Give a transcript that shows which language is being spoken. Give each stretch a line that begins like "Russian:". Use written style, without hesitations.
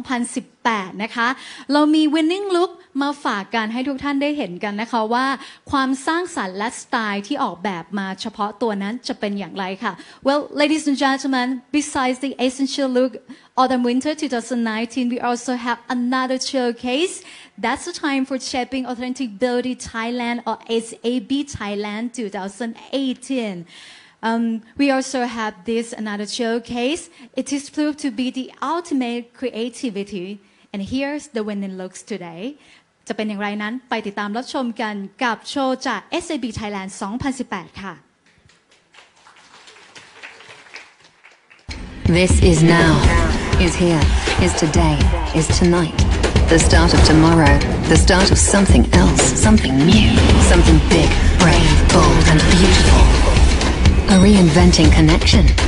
Thai: 2018นะคะเรามี winning look มาฝากกันให้ทุกท่านได้เห็นกันนะคะว่าความสร้างสรรค์และสไตล์ที่ออกแบบมาเฉพาะตัวนั้นจะเป็นอย่างไรค่ะ
English: Well ladies and gentlemen besides the essential look Autumn Winter 2019 we also have another showcasethat's the time for Shaping Authentic Beauty Thailand or SAB Thailand 2018. We also have this another showcase. It is proved to be the ultimate creativity. And here's the winning looks today.
Thai: จะเป็นอย่างไรนั้นไปติดตามรับชมกันกับโชว์จาก SAB Thailand 2018ค่ะ
English: This is now, is here, is today, is tonight. The start of tomorrow. The start of something else. Something new. Something big, brave, bold, and beautiful. A reinventing connection.